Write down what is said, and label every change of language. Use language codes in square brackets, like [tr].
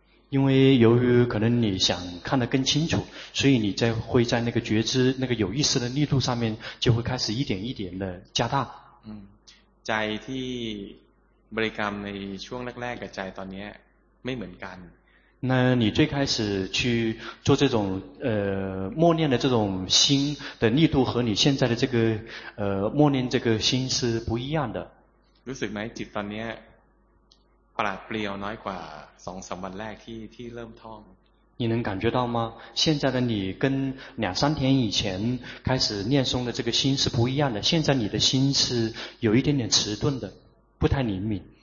[zh] 因为由于可能你想看得更清楚所以你在会在那个觉知那个有意识的力度上面就会开始一点一点的加大 [th] ใจที่บริกรรมในช่วงแรกๆกับใจตอนนี้ไม่เหมือนกัน [zh] 那你最开始去做这种默念的这种心的力度和你现在的这个默念这个心是不一样的 [th] รู้สึกไหมจิตตอนนี้ปราดเปรียวน้อยกว่า 2-3 วันแรกที่เริ่มท่อง [zh] 你能感觉到吗现在的你跟两三天以前开始念诵的这个心是不一样的现在你的心是有一点点迟钝的不太灵敏